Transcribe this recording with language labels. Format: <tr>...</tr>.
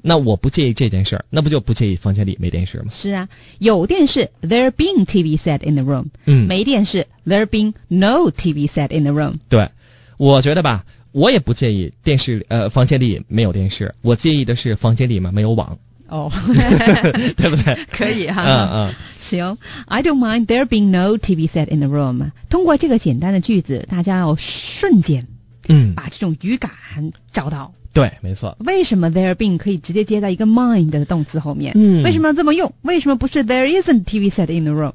<zh>那我不介意这件事，那不就不介意房间里没电视吗？是啊，有电视</zh> <en>，there being TV set in the room。嗯，</en> <zh>没电视</zh> <en>，there being no TV set in the room。</en> <zh>对，我觉得吧。我也不介意电视房间里没有电视，我介意的是房间里面没有网。哦，对不对？可以哈，嗯嗯，行。</zh> <en>I don't mind there being no TV set in the room.</en> <zh>通过这个简单的句子，大家要瞬间把这种语感找到。对，没错。为什么</zh> <en>there being</en> <zh>可以直接接在一个 mind 的动词后面？为什么要这么用？为什么不是</zh> <en>there isn't TV set in the room？</en>